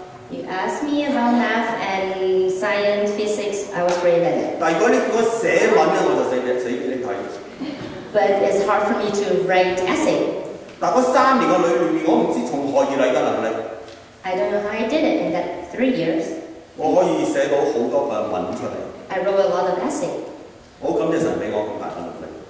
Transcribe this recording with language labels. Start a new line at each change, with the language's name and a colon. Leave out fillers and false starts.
English: You ask me about math and science, physics, I was great at it.
Cantonese: 但如果你叫我寫文咧，我就死嘅，死俾你睇。
English: But it's hard for me to write essay.
Cantonese: 但嗰三年嘅裏面，我唔知從何而嚟嘅能力。
English: I don't know how I did it in that 3 years。
Cantonese: 我可以寫到好多嘅文出嚟。
English: I wrote a lot of essay。
Cantonese: 我感謝神俾我咁大嘅能力。